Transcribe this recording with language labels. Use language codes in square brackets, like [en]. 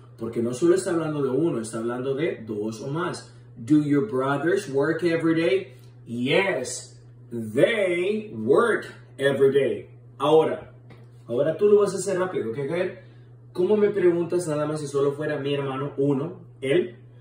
[es] Porque no solo está hablando de uno, está hablando de dos o más. [en] Do your brothers work every day? Yes, they work every day. [es] Ahora tú lo vas a hacer rápido, ¿ok? ¿Cómo me preguntas nada más si solo fuera mi hermano uno, él?